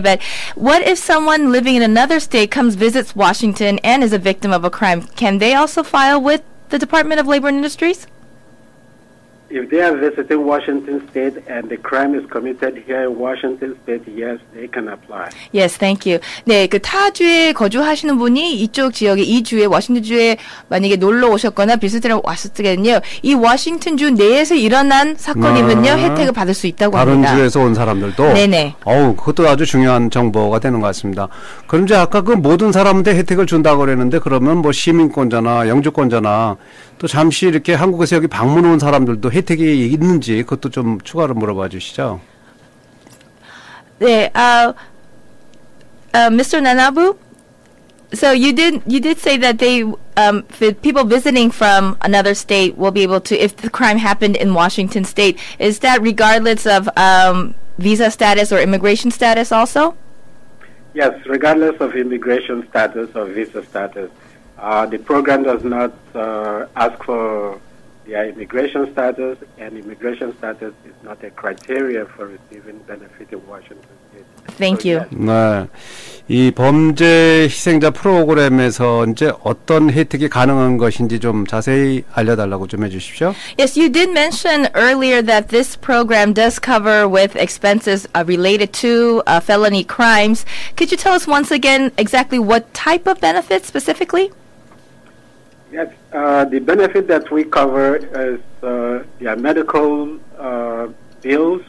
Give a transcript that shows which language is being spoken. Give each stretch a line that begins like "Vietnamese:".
English: But what if someone living in another state comes visits Washington and is a victim of a crime? Can they also file with the Department of Labor and Industries? If they are visiting Washington State and the crime is committed here in Washington State, yes, they can apply. Yes, thank you.
Korean: 네, 그 타 주에 거주하시는 분이 이쪽 지역에 이 주에 워싱턴 주에 만약에 놀러 오셨거나 비슷한 왔을 때는요, 이 워싱턴 주 내에서 일어난 사건이면요 혜택을 받을 수 있다고 다른 합니다. 다른 주에서 온 사람들도. 네네. 어우, 그것도 아주 중요한 정보가 되는 것 같습니다. 그럼 이제 아까 그 모든 사람한테 혜택을 준다고 그랬는데, 그러면 뭐 시민권자나 영주권자나 또 잠시 이렇게 한국에서 여기 방문 온 사람들도 혜택이 있는지 그것도 좀 추가로 물어봐 주시죠. 네, Mr.
English: Nnanabu, so you did say that they the people visiting from another state will be able to if the crime happened in Washington State. Is that regardless of visa status or immigration status also? Yes, regardless of immigration status or visa status, the program does not ask for their immigration status, and immigration status is not a criteria for receiving benefit in Washington State. Thank you.
Korean: 네, 이 범죄 희생자 프로그램에서 이제 어떤 혜택이 가능한 것인지 좀 자세히 알려달라고 좀 해주십시오.
English: Yes, you did mention earlier that this program does cover with expenses related to felony crimes. Could you tell us once again exactly what type of benefits specifically? Yes, the benefit that we cover is their medical bills.